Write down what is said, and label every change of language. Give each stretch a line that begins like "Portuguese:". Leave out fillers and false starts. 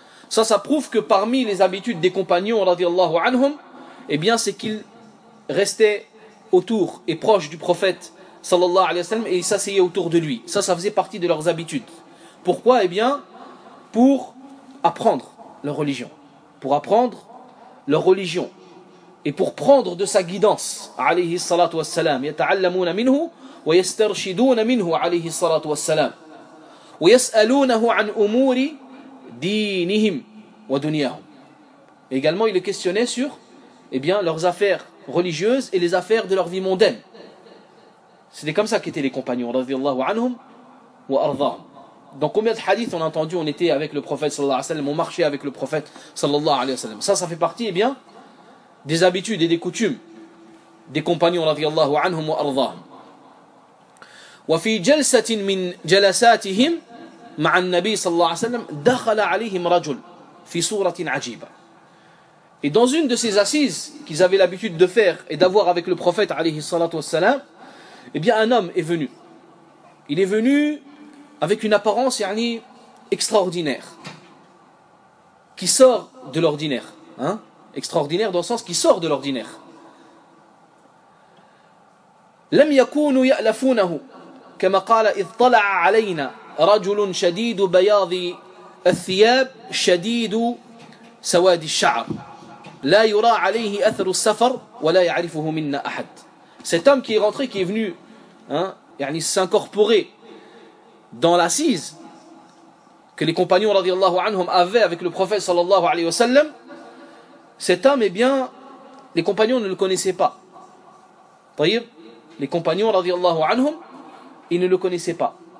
French: Ça prouve que parmi les habitudes des compagnons, radiallahu anhum, eh bien, c'est qu'ils restaient autour et proches du prophète, sallallahu alayhi wa sallam, et ils s'asseyaient autour de lui. Ça faisait partie de leurs habitudes. Pourquoi? Eh bien, pour apprendre leur religion. Pour apprendre leur religion. Et pour prendre de sa guidance, alayhi salatu wassalam.
Arabic: يَتَعَلَّمُونَ مِنْهُ وَيَسْتَرْشِدُونَ مِنْهُ عَلَيْهِ salatu wassalam. وَيَسْأَلُونَهُ عَنْ أُمُورِ dinihim wa dunyahum.
French: Également, il le questionnait sur eh bien, leurs affaires religieuses et les affaires de leur vie mondaine. C'était comme ça qu'étaient les compagnons, radiyallahu anhum wa ardhahum. Donc, combien de hadiths on a entendu, on était avec le prophète sallallahu alayhi wa sallam, on marchait avec le prophète sallallahu alayhi wa sallam. Ça fait partie eh bien, des habitudes et des coutumes des compagnons, radiyallahu anhum wa ardhahum.
Arabic: Wa fi jalsatin min jalasatihim مع النبي صلى الله عليه وسلم دخل عليهم رجل في صورة عجيبة.
French: Et dans une de ces assises qu'ils avaient l'habitude de faire et d'avoir avec le prophète alayhi salatu wassalam, eh bien un homme est venu. Il est venu avec une apparence yani extraordinaire qui sort de l'ordinaire, hein? Extraordinaire dans le sens qui sort de l'ordinaire.
Arabic: لم يكونوا يألفونه كما قال إذ طلع علينا رجل شديد بياض الثياب شديد سواد الشعر لا يرى عليه أثر السفر ولا يعرفه منا أحد.
French: Cet homme qui est rentré, qui est venu, hein, s'incorporer dans l'assise que les compagnons radiallahu anhum avaient avec le prophète sallallahu alayhi wa sallam, cet homme, eh bien, les compagnons ne le connaissaient pas. Les compagnons radiallahu anhum, ils ne le connaissaient pas.